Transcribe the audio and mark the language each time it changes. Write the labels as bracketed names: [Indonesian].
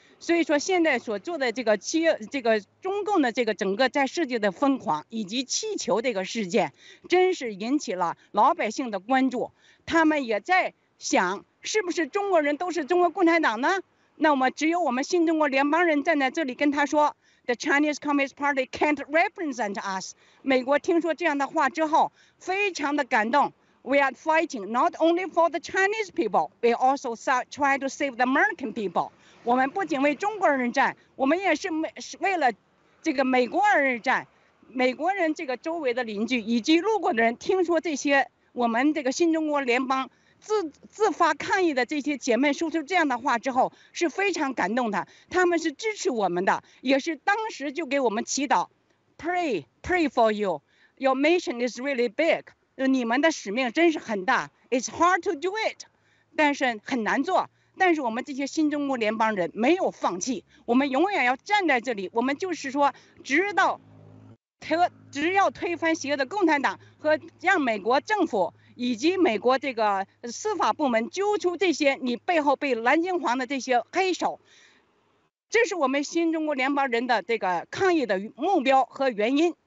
[Chinese] 所以说，现在所做的这个七，这个中共的这个整个在世界的疯狂以及气球这个事件，真是引起了老百姓的关注。他们也在想，是不是中国人都是中国共产党呢？那么，只有我们新中国联邦人站在这里跟他说。 [English] The Chinese Communist Party can't represent us. [Chinese] 美国听说这样的话之后，非常的感动。 [English] We are fighting not only for the Chinese people, we also try to save the American people. [Chinese] 我们不仅为中国人站，我们也是为了这个美国人站。美国人这个周围的邻居以及路过的人，听说这些我们这个新中国联邦自发抗议的这些姐妹说出这样的话之后，是非常感动的。他们是支持我们的，也是当时就给我们祈祷 ， [English] pray for you. Your mission is really big. [Chinese] 你们的使命真是很大。 [English] It's hard to do it， [Chinese] 但是很难做。但是我们这些新中国联邦人没有放弃，我们永远要站在这里。我们就是说，只要推翻邪恶的共产党和让美国政府。以及美国这个司法部门揪出这些你背后被蓝金黄的这些黑手，这是我们新中国联邦人的这个抗议的目标和原因。